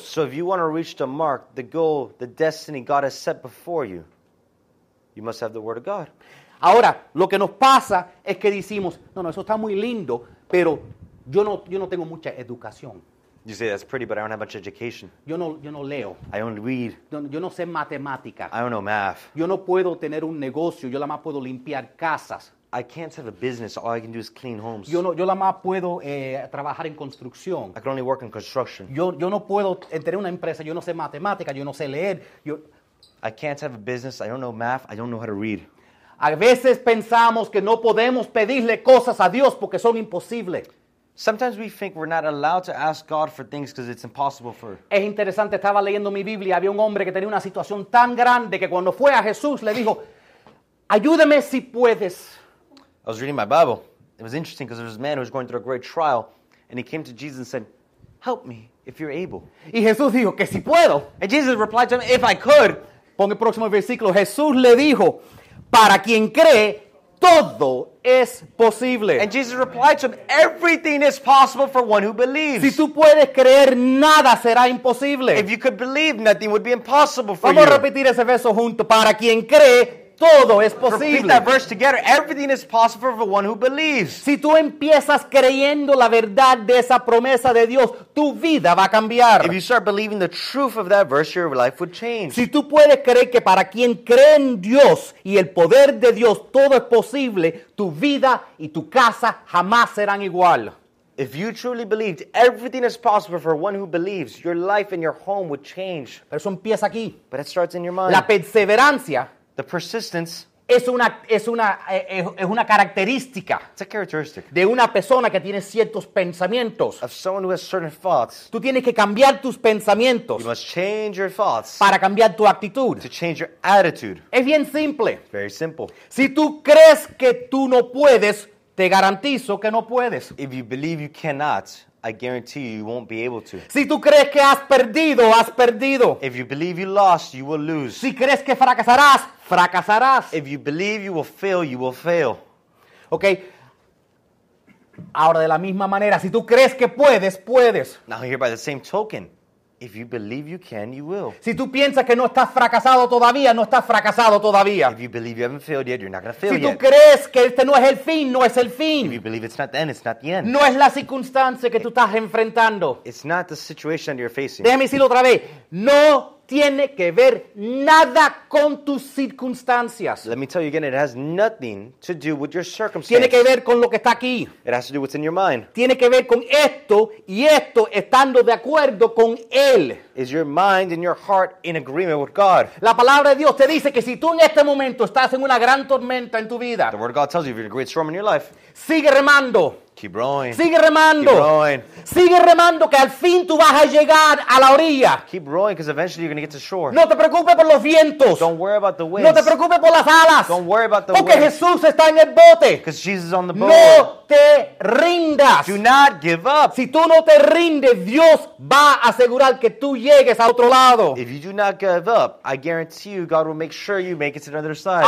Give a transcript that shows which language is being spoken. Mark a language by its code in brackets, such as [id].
[en] So if you want to reach the mark, the goal, the destiny God has set before you, you must have the word of God. [es] Ahora, lo que nos pasa es que decimos, no, no, eso está muy lindo, pero yo no tengo mucha educación. [en] You say, that's pretty, but I don't have much education. [es] Yo no leo. [en] I don't read. [es] Yo no sé matemática. [en] I don't know math. [es] Yo no puedo tener un negocio. Yo la más puedo limpiar casas. [en] I can't have a business. All I can do is clean homes. [es] Yo la más puedo trabajar en construcción. [en] I can only work in construction. [es] Yo no puedo tener una empresa. Yo no sé matemática. Yo no sé leer. [en] I can't have a business. I don't know math. I don't know how to read. [es] A veces pensamos que no podemos pedirle cosas a Dios porque son imposibles. [en] Sometimes we think we're not allowed to ask God for things because it's impossible for. [es] Es interesante, estaba leyendo mi Biblia, había un hombre que tenía una situación tan grande que cuando fue a Jesús le dijo, ayúdame si puedes. [en] I was reading my Bible. It was interesting because there was a man who was going through a great trial and he came to Jesus and said, help me if you're able. [es] Y Jesús dijo, que si puedo. [en] And Jesus replied to him, if I could. [es] Pon el próximo versículo. Jesús le dijo, para quien cree, todo es posible. [en] And Jesus replied to him, everything is possible for one who believes. [es] Si tú puedes creer, nada será imposible. [en] If you could believe, nothing would be impossible for [es] you. Vamos a repetir ese verso junto. Para quien cree, todo es posible. [en] Repeat that verse together. Everything is possible for one who believes. [es] Si tú empiezas creyendo la verdad de esa promesa de Dios, tu vida va a cambiar. [en] If you start believing the truth of that verse, your life would change. [es] Si tú puedes creer que para quien cree en Dios y el poder de Dios, todo es posible, tu vida y tu casa jamás serán igual. [en] If you truly believed everything is possible for one who believes, your life and your home would change. [es] Pero eso empieza aquí. [en] But it starts in your mind. [es] La perseverancia. [en] The persistence [es] es una característica. [en] It's a characteristic. [es] De una persona que tiene ciertos pensamientos. [en] Of someone who has certain thoughts. [es] Tú tienes que cambiar tus pensamientos. [en] You must change your thoughts. [es] Para cambiar tu actitud. [en] To change your attitude. [es] Es bien simple. [en] Very simple. [es] Si tú crees que tú no puedes, te garantizo que no puedes. [en] If you believe you cannot, I guarantee you, you won't be able to. [es] Si tú crees que has perdido, has perdido. [en] If you believe you lost, you will lose. [es] Si crees que fracasarás, fracasarás. [en] If you believe you will fail, you will fail. Okay. [es] Ahora de la misma manera, si tú crees que puedes, puedes. [en] Now here by the same token, if you believe you can, you will. [es] Si tú piensas que no estás fracasado todavía, no estás fracasado todavía. [en] If you believe you haven't failed yet, you're not going to fail [es] si [en] yet. [es] Si tú crees que este no es el fin, no es el fin. [en] If you believe it's not the end, it's not the end. [es] No es la circunstancia que tú estás enfrentando. [en] It's not the situation you're facing. [es] Déjame decirlo otra vez. No tiene que ver nada con tus circunstancias. [en] Let me tell you again, it has nothing to do with your circumstances. [es] Tiene que ver con lo que está aquí. [en] It has to do what's in your mind. [es] Tiene que ver con esto y esto estando de acuerdo con Él. [en] Is your mind and your heart in agreement with God? [es] La palabra de Dios te dice que si tú en este momento estás en una gran tormenta en tu vida. [en] The word of God tells you if you're in a great storm in your life. [es] Sigue remando. [en] Keep rowing. [es] Sigue remando. [en] Keep rowing. [es] Sigue remando que al fin tú vas a llegar a la orilla. [en] Keep rowing because eventually you're going to get to shore. [es] No te preocupes por los vientos. [en] Don't worry about the winds. [es] No te preocupes por las alas. [en] Don't worry about the winds. Porque wind. [es] Jesús está en el bote. [en] Because Jesus is on the boat. [es] No te rindas. [en] Do not give up. [es] Si tú no te rindes, Dios va a asegurar que tú llegues a otro lado. [en] If you do not give up, I guarantee you God will make sure you make it to the other side.